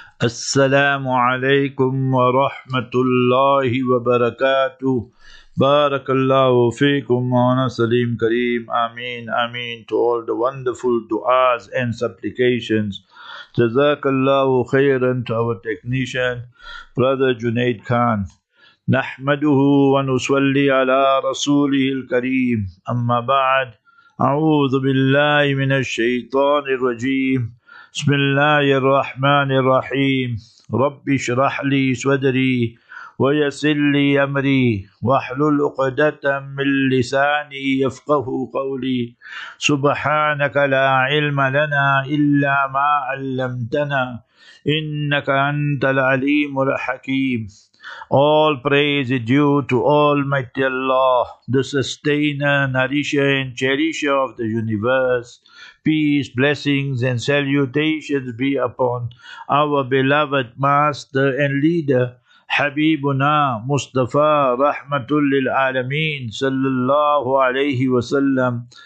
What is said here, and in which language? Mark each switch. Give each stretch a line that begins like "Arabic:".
Arabic: السلام علیکم ورحمۃ اللہ وبرکاتہ، بارك الله فيكم وانا سليم كريم. آمين آمين
English: to all the wonderful du'as and supplications.
Arabic: جزاك الله خيرا
English: to our technician brother Junaid Khan.
Arabic: نحمده ونصلي على رسوله الكريم، أما بعد، أعوذ بالله من الشيطان الرجيم. بسم الله الرحمن الرحيم. رب اشرح لي صدري ويسر لي أمري واحلل عقدة من لساني يفقه قولي. سبحانك لا علم لنا إلا ما علمتنا إنك أنت العليم الحكيم.
English: All praise is due to Almighty Allah, the sustainer, nourisher and cherisher of the universe. Peace, blessings and salutations be upon our beloved master and leader Habibuna Mustafa Rahmatul Lil Alameen Sallallahu Alaihi Wasallam.